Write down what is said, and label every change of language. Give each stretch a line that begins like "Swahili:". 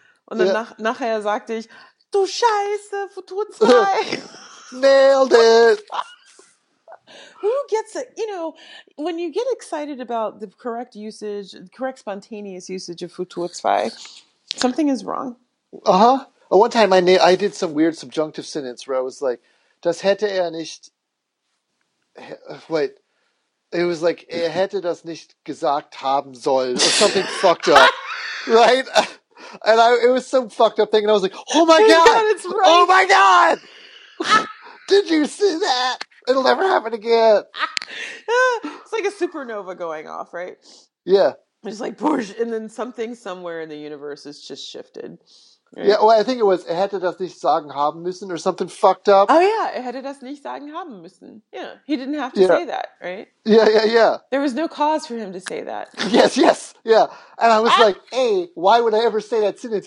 German: Und dann nachher sagte ich, du Scheiße, Futur 2.
English: Nailed it. Who gets it? You know, when you get excited about the correct usage, the correct spontaneous usage of Futur 2, something is wrong. Uh-huh. Oh, one time I did some weird subjunctive sentence where I was like,
German: das hätte er nicht,
English: wait, it was like,
German: er hätte das nicht gesagt haben sollen,
English: or something fucked up, right? And it was some fucked up thing, and I was like, oh my God, it's right. Oh my God, did you see that? It'll never happen again. It's like a supernova going off, right? Yeah. It's like, Porsche, and then something somewhere in the universe has just shifted. Right. Yeah, well, I think it was,
German: er hätte das nicht sagen haben müssen
English: or something fucked up. Oh, yeah,
German: er hätte das nicht sagen haben müssen.
English: Yeah, he didn't have to say that, right? Yeah, yeah, yeah. There was no cause for him to say that. Yes, yes, yeah. And I was like, A, why would I ever say that sentence?